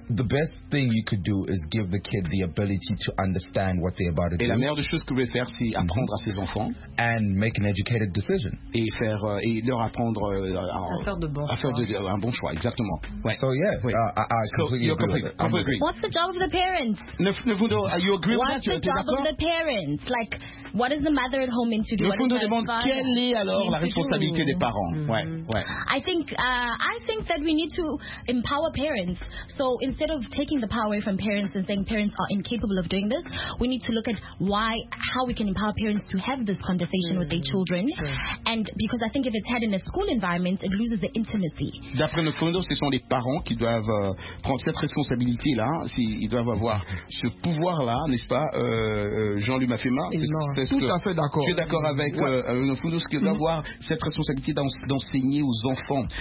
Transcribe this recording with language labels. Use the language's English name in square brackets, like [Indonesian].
[English] The best thing you could do is give the kid the ability to understand what they're about to do. [French] Et la meilleure des choses que vous pouvez faire, c'est apprendre à ses enfants. [English] And make an educated decision. [French] Et faire et leur apprendre à faire un bon choix. Exactement. Ouais. [English] So yeah, I completely agree. What's the job of the parents? What's the job of the parents? Like, what is the mother at home meant to do? [French] Quelle est alors la responsabilité des parents? [English] I think that we need to empower parents. So instead of taking the power away from parents and saying parents are incapable of doing this, we need to look at how we can empower parents to have this conversation with their children. Sure. And because I think if it's had in a school environment, it loses the intimacy. [French] D'après nos fondos, ce sont les parents qui doivent prendre cette responsabilité là. Ils doivent avoir ce pouvoir là, n'est-ce pas, Jean-Louis Mafema? Tout à fait d'accord. Je suis d'accord avec le Foudous qui doit avoir cette responsabilité d'enseigner aux enfants.